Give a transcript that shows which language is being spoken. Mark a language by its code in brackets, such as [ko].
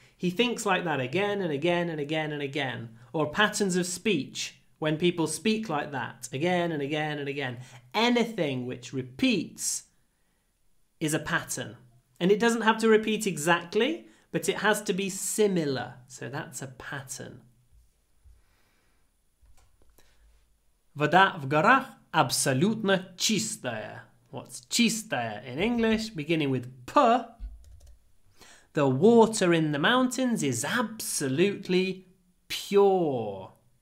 [en] He thinks like that again and again and again and again. Or patterns of speech, when people speak like that, again and again and again. Anything which repeats is a pattern. And it doesn't have to repeat exactly, but it has to be similar. So that's a pattern. [ru] Вода в горах абсолютно чистая. [en] What's чистая in English? Beginning with P. The water in the mountains is absolutely pure.